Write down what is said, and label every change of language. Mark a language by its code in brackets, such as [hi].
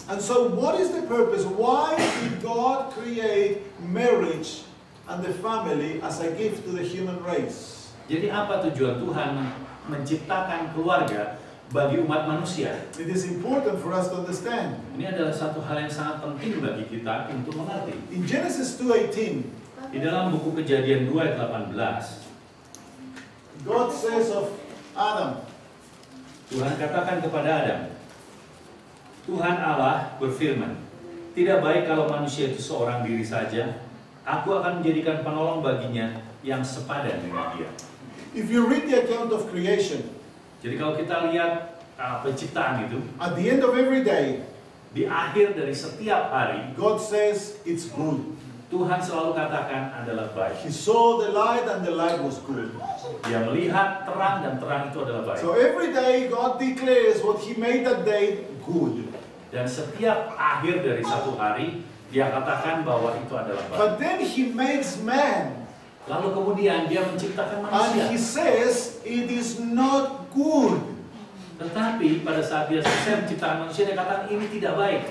[en] And so what is the purpose? Why did God create marriage and the family as a gift to the human race? [id] Jadi apa tujuan Tuhan menciptakan keluarga bagi umat manusia? [en] It is important for us to understand. [id] Ini adalah satu hal yang sangat penting bagi kita untuk mengerti. [en] In Genesis 2:18, [id] di dalam buku Kejadian 2:18, [en] God says of Adam, [id] Tuhan katakan kepada Adam, Tuhan Allah berfirman, tidak baik kalau manusia itu seorang diri saja, aku akan menjadikan penolong baginya yang sepadan dengan dia. [en] If you read the account of creation, [id] jadi kalau kita lihat penciptaan itu, [en] at the end of every day, [id] di akhir dari setiap hari, [en] God says it's good. [id] Tuhan selalu katakan adalah baik. [en] He saw the light and the light was good. [id] Dia melihat terang dan terang itu adalah baik. [en] So every day God declares what He made that day good. [id] Dan setiap akhir dari satu hari Dia katakan bahwa itu adalah baik. [en] But then He makes man. [id] Lalu kemudian Dia menciptakan manusia. [en] And He says it is not good. [id] Tetapi pada saat Dia selesai menciptakan manusia Dia katakan ini tidak baik.